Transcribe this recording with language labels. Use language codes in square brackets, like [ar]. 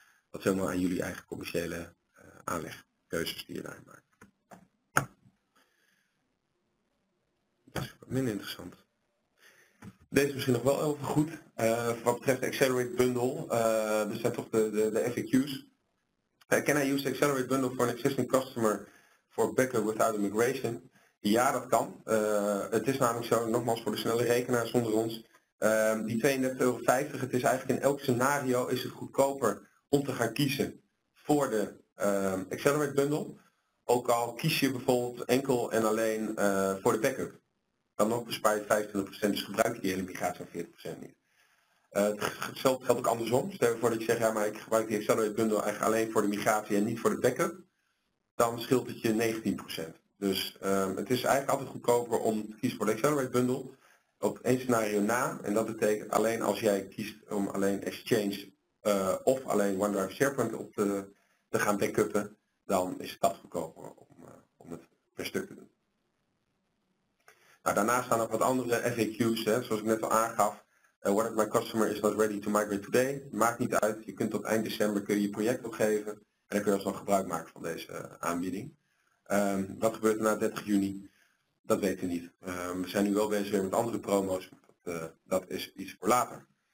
[nl] Dat is helemaal aan jullie eigen commerciële aanleg, keuzes die je daarin maakt. Dat is minder interessant. Deze misschien nog wel even goed, wat betreft de Accelerate Bundle, dus dat toch de FAQ's. [en] Can I use the Accelerate Bundle for an existing customer for backup without a migration? [nl] Ja, dat kan. Het is namelijk zo, nogmaals voor de snelle rekenaars onder ons, die 32,50 €, het is eigenlijk in elk scenario is het goedkoper om te gaan kiezen voor de Accelerate Bundle. Ook al kies je bijvoorbeeld enkel en alleen voor de backup. Dan ook bespaar je 25%, dus gebruik je die hele migratie van 40% niet. Hetzelfde geldt ook andersom. Stel je voor dat je zegt, ja, maar ik gebruik die Accelerate Bundle eigenlijk alleen voor de migratie en niet voor de backup. Dan scheelt het je 19%. Dus het is eigenlijk altijd goedkoper om te kiezen voor de Accelerate Bundle. Op één scenario na, en dat betekent alleen als jij kiest om alleen Exchange of alleen OneDrive SharePoint op te gaan backuppen, dan is het goedkoper om het per stuk te doen. Nou, daarnaast staan ook wat andere FAQ's, hè, zoals ik net al aangaf. [en] What if my customer is not ready to migrate today? [nl] Maakt niet uit, je kunt tot eind december kun je project opgeven en dan kun je alsnog gebruik maken van deze aanbieding. Wat gebeurt er na 30 juni? Dat weten we niet. We zijn nu wel bezig weer met andere promo's, dat is iets voor later.